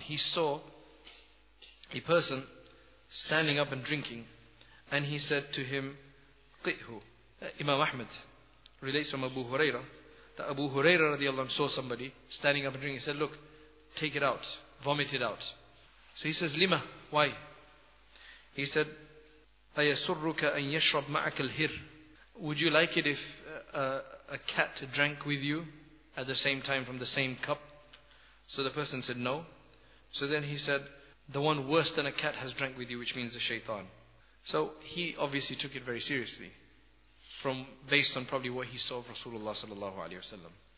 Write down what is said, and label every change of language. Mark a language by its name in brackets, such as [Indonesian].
[English] He saw a person standing up and drinking, and he said to him, قِئْهُ. Imam Ahmad relates from Abu Huraira that Abu Huraira radiallahu anhu saw somebody standing up and drinking. He said, look, take it out, vomit it out. So he says, لِمَا, why? He said, [Arabic] أَيَسُرُّكَ أَنْ يَشْرَبْ مَعَكَ الْهِرِ. [English] Would you like it if a cat drank with you at the same time from the same cup? So the person said, no. So then he said, the one worse than a cat has drank with you, which means the shaitan. So he obviously took it very seriously, based on probably what he saw of Rasulullah sallallahu alaihi wasallam.